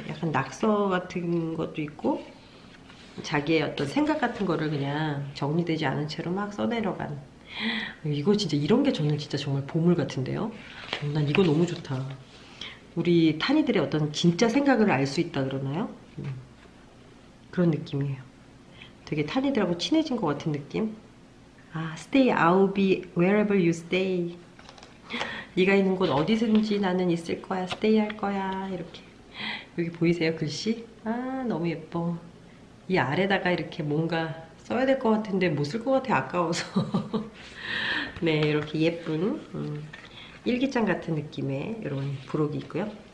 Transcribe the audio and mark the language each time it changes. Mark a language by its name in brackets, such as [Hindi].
[Korean] 약간 낙서 같은 것도 있고, 자기의 어떤 생각 같은 거를 그냥 정리되지 않은 채로 막 써내려간. 이거 진짜 이런 게 정말 진짜 정말 보물 같은데요? 난 이거 너무 좋다. 우리 탄이들의 어떤 진짜 생각을 알수 있다 그러나요? 그런 느낌이에요. 되게 탄이들하고 친해진 것 같은 느낌? [English] 아, stay, I'll be wherever you stay. [Korean] 네가 있는 곳 어디든지 나는 있을 거야, stay 할 거야, 이렇게. 여기 보이세요, 글씨? 아, 너무 예뻐. 이 아래다가 이렇게 뭔가 써야 될것 같은데 못쓸것 같아, 아까워서. 네, 이렇게 예쁜 일기장 같은 느낌의 이런 부록이 있고요.